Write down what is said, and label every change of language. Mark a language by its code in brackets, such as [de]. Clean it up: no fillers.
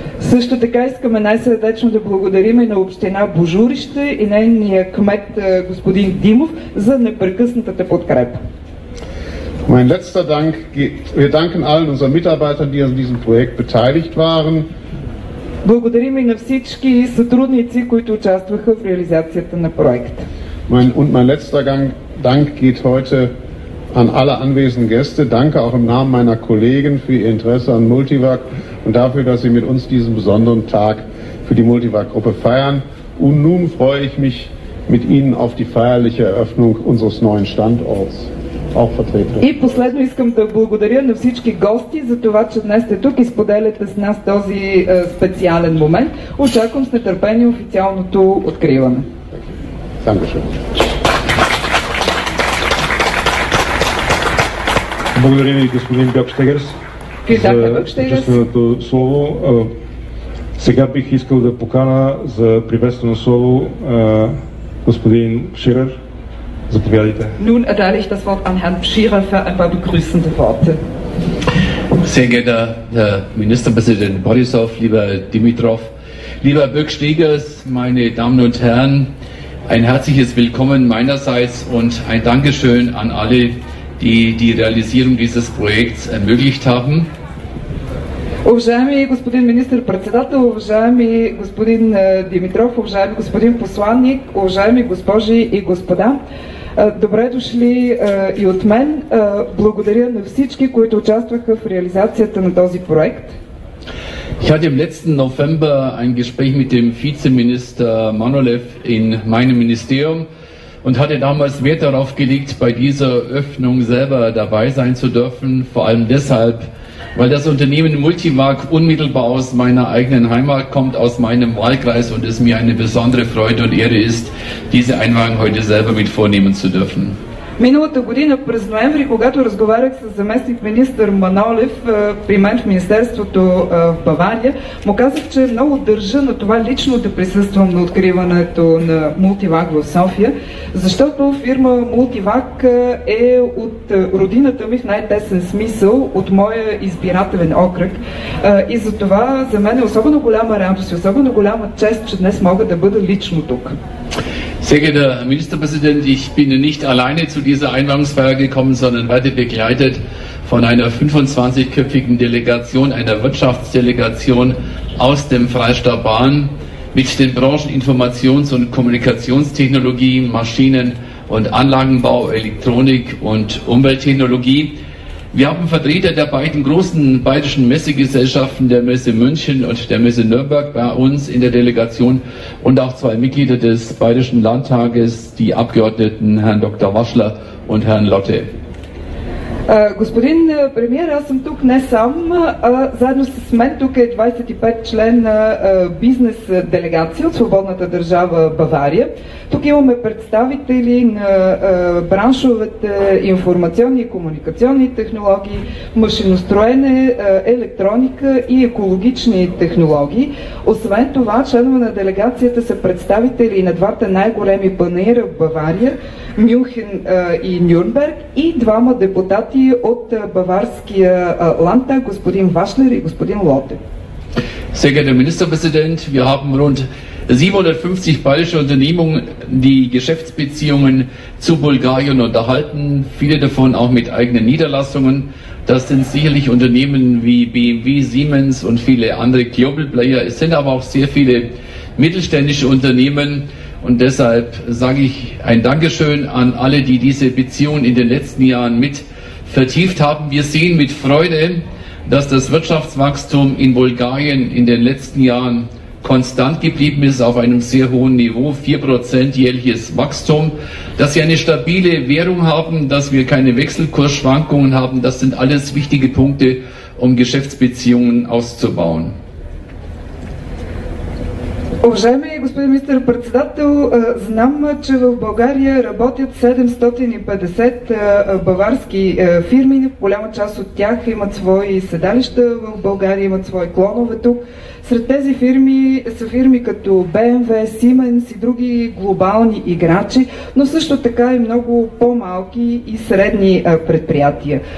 [bg] Също така искаме най-сърдечно да благодарим на община Божурище и нейния кмет господин Димов за непрекъснатата подкрепа. [de] Mein letzter Dank geht, wir danken allen unseren Mitarbeitern, die an diesem Projekt beteiligt waren. Благодарим и на всички сътрудници, които участваха в реализацията на проекта. Mein letzter Dank geht heute an alle anwesenden Gäste. Danke auch im Namen meiner Kollegen für ihr Interesse an Multivac und dafür, dass sie mit uns diesen besonderen Tag für die Multivac-Gruppe feiern. Und nun freue ich mich mit Ihnen auf die feierliche Eröffnung unseres neuen Standorts. Auch vertreten. [bg] И последно искам да благодаря на всички гости за това, че днес сте тук и споделяте с нас този специален момент. Очаквам с нетърпение официалното откриване. [de] Dankeschön. [bg] Благодарим ви, господин Бьокштегерс, за учаственото слово. Сега бих искал да покана за приветствено слово господин Пширер. Заповядайте. [de] Nun erteile ich das Wort an Herrn Pschirer für ein paar begrüßende Worte. Sehr geehrter Herr Ministerpräsident Borisov, lieber Dimitrov, lieber Bjokštegers, meine Damen und Herren, ein herzliches Willkommen meinerseits und ein Dankeschön an alle, die die Realisierung dieses Projekts ermöglicht haben. [bg] Уважаеми господин министър-председател, уважаеми господин Димитров, уважаеми господин посланник, уважаеми госпожи и господа, добре дошли и от мен. Благодаря на всички, които участваха в реализацията на този проект. [de] Ich hatte im letzten November ein Gespräch mit dem Vizeminister Manolev in meinem Ministerium und hatte damals Wert darauf gelegt, bei dieser Öffnung selber dabei sein zu dürfen, vor allem deshalb, weil das Unternehmen Multivac unmittelbar aus meiner eigenen Heimat kommt, aus meinem Wahlkreis und es mir eine besondere Freude und Ehre ist, diese Einweihung heute selber mit vornehmen zu dürfen. [bg] Миналата година през ноември, когато разговарях с заместник-министър Манолев при мен в Министерството в Бавария, му казах, че много държа на това лично да присъствам на откриването на Multivac в София, защото фирма Multivac е от родината ми в най-тесен смисъл, от моя избирателен окръг. И затова за мен е особено голяма радост и особено голяма чест, че днес мога да бъда лично тук. [de] Sehr geehrter Herr Ministerpräsident, ich bin nicht alleine zu dieser Einweihungsfeier gekommen, sondern werde begleitet von einer 25-köpfigen Delegation, einer Wirtschaftsdelegation aus dem Freistaat Bayern mit den Branchen Informations- und Kommunikationstechnologie, Maschinen- und Anlagenbau, Elektronik und Umwelttechnologie. Wir haben Vertreter der beiden großen bayerischen Messegesellschaften, der Messe München und der Messe Nürnberg, bei uns in der Delegation und auch zwei Mitglieder des Bayerischen Landtages, die Abgeordneten Herrn Dr. Waschler und Herrn Lotte. [bg] Господин премиер, аз съм тук не сам, а заедно с мен тук е 25 член на бизнес делегация от свободната държава Бавария. Тук имаме представители на браншовете информационни и комуникационни технологии, машиностроене, електроника и екологични технологии. Освен това, членове на делегацията са представители на двата най-големи панаира в Бавария, Мюнхен и Нюрнберг, и двама депутати от Баварския Ландтаг, господин Вашлер и господин Лотте. [de] Sehr geehrter Ministerpräsident, wir haben rund 750 bayerische Unternehmungen, die Geschäftsbeziehungen zu Bulgarien unterhalten, viele davon auch mit eigenen Niederlassungen. Das sind sicherlich Unternehmen wie BMW, Siemens und viele andere Global Player. Es sind aber auch sehr viele mittelständische Unternehmen. Und deshalb sage ich ein Dankeschön an alle, die diese Beziehungen in den letzten Jahren mit vertieft haben. Wir sehen mit Freude, dass das Wirtschaftswachstum in Bulgarien in den letzten Jahren konstant geblieben ist, auf einem sehr hohen Niveau, 4% jährliches Wachstum, dass wir eine stabile Währung haben, dass wir keine Wechselkursschwankungen haben. Das sind alles wichtige Punkte, um Geschäftsbeziehungen auszubauen. [bg] Уважаеми господин министър-председател, знам, че в България работят 750 баварски фирми. Голяма част от тях имат свои седалища в България, имат свои клонове тук. Сред тези фирми са фирми като BMW, Siemens и други глобални играчи, но също така и много по-малки и средни предприятия.